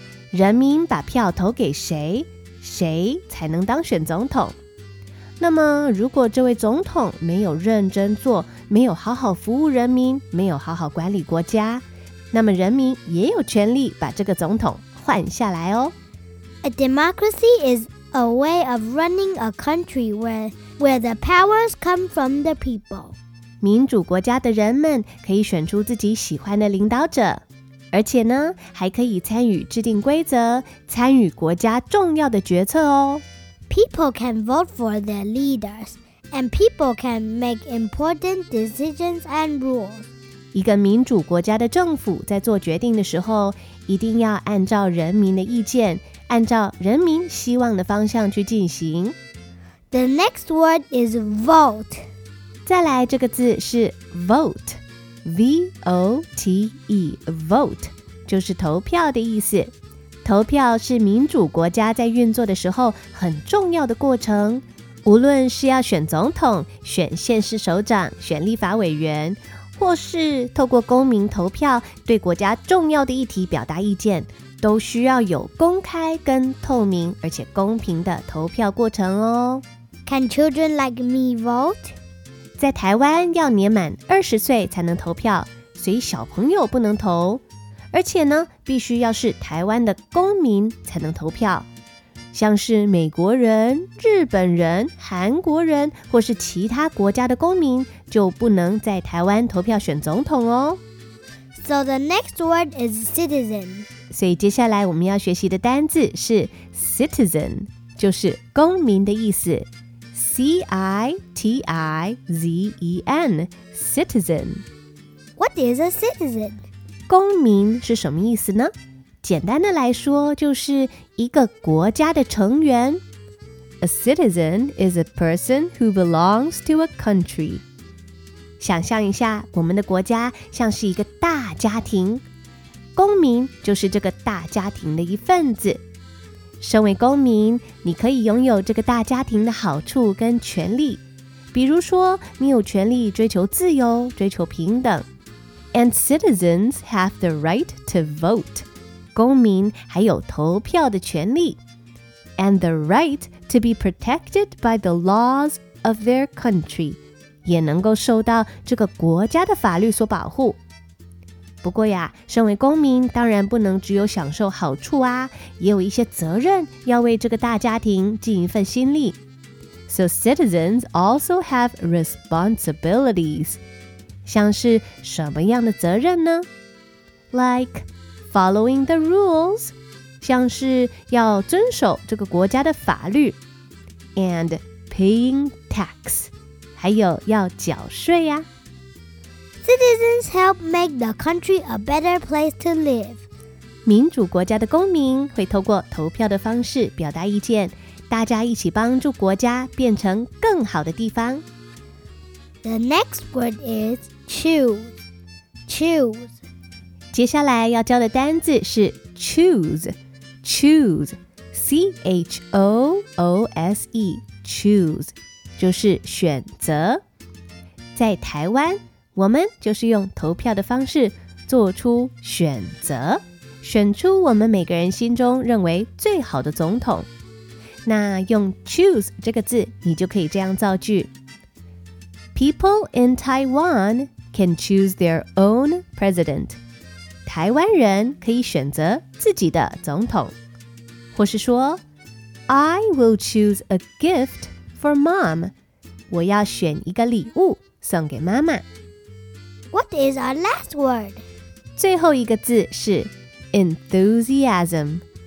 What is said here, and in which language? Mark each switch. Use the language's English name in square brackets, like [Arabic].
[Chinese] 人民把票投给谁，谁才能当选总统。那么如果这位总统没有认真做，没有好好服务人民，没有好好管理国家，那么人民也有权利把这个总统换下来哦。 [English] A democracy is a way of running a country where the powers come from the people. [Chinese] 民主国家的人们可以选出自己喜欢的领导者，而且呢，还可以参与制定规则，参与国家重要的决策哦。 [English] People can vote for their leaders, and people can make important decisions and rules. [Chinese] 一个民主国家的政府在做决定的时候，一定要按照人民的意见，按照人民希望的方向去进行。 [English] The next word is vote. [Chinese] 再来这个字是 vote, V-O-T-E, vote, 就是投票的意思。投票是民主国家在运作的时候很重要的过程，无论是要选总统、选县市首长、选立法委员，或是透过公民投票对国家重要的议题表达意见，都需要有公开跟透明而且公平的投票过程哦。 [English] Can children like me vote? [Chinese] 在台湾要年满20岁才能投票，所以小朋友不能投，而且呢，必须要是台湾的公民才能投票。像是美国人、日本人、韩国人或是其他国家的公民，就不能在台湾投票选总统哦。 [English] So the next word is citizen. [Chinese] 所以接下来我们要学习的单字是 citizen， 就是公民的意思。 [English] C-I-T-I-Z-E-N, citizen. What is a citizen? [Chinese] 公民是什么意思呢？简单的来说，就是一个国家的成员。 [English] A citizen is a person who belongs to a country. [Chinese] 想象一下，我们的国家像是一个大家庭，公民就是这个大家庭的一份子。身为公民，你可以拥有这个大家庭的好处跟权利，比如说，你有权利追求自由，追求平等。 [English] And citizens have the right to vote. [Chinese] 公民还有投票的权利 [English] and the right to be protected by the laws of their country [Chinese] 也能够受到这个国家的法律所保护。不过呀，身为公民当然不能只有享受好处啊，也有一些责任要为这个大家庭尽一份心力。 [English] So citizens also have responsibilities. [Chinese] 像是什么样的责任呢？ [English] Like,Following the rules, [Chinese] 像是要遵守这个国家的法律 [English] and paying tax, [Chinese] 还有要缴税呀。 [English] Citizens help make the country a better place to live. [Chinese] 民主国家的公民会透过投票的方式表达意见，大家一起帮助国家变成更好的地方。 [English] The next word is choose. Choose. [Chinese] 接下来要教的单字是 choose, choose, C-H-O-O-S-E, choose, 就是选择。在台湾，我们就是用投票的方式做出选择，选出我们每个人心中认为最好的总统。那用 choose 这个字，你就可以这样造句。 [English] People in Taiwan can choose their own president. [Chinese] 台湾人可以选择自己的总统，或是说 [English] I will choose a gift for mom. [Chinese] 我要选一个礼物送给妈妈。 [English] What is our last word? [Chinese] 最后一个字是 enthusiasm.